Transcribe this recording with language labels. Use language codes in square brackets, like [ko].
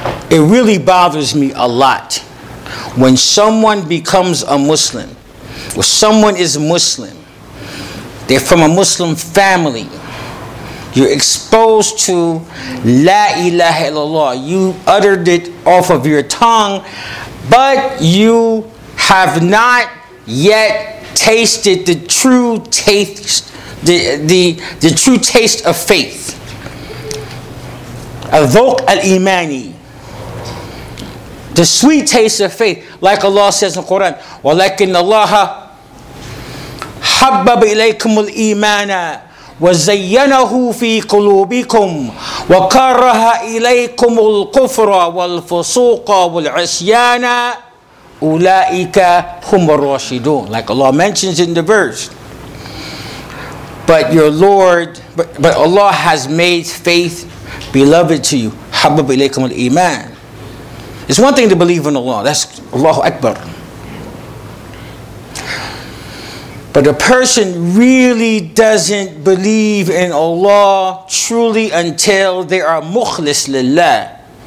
[en] It really bothers me a lot when someone becomes a Muslim, or someone is Muslim, they're from a Muslim family, you're exposed to La ilaha illallah, you uttered it off of your tongue, but you have not yet tasted the true taste, the true taste of faith. [ar] Adhuq al-imani. [en] The sweet taste of faith, like Allah says in the Quran, [ar] وَلَكِنَّ اللَّهَ حَبَّبَ إِلَيْكُمُ الْإِيمَانَ وَزَيَّنَهُ فِي قُلُوبِكُمْ وَكَرَّهَ إِلَيْكُمُ الْكُفْرَ وَالْفُسُوقَ وَالْعِصْيَانَ أُولَٰئِكَ هُمُ الرَّاشِدُونَ. [en] Like Allah mentions in the verse. But Allah has made faith beloved to you. [ar] حَبَّبَ إِلَيْكُمُ الْإِيمَانَ. [en] It's one thing to believe in Allah. That's Allahu Akbar. But a person really doesn't believe in Allah truly until they are mukhlis lillah.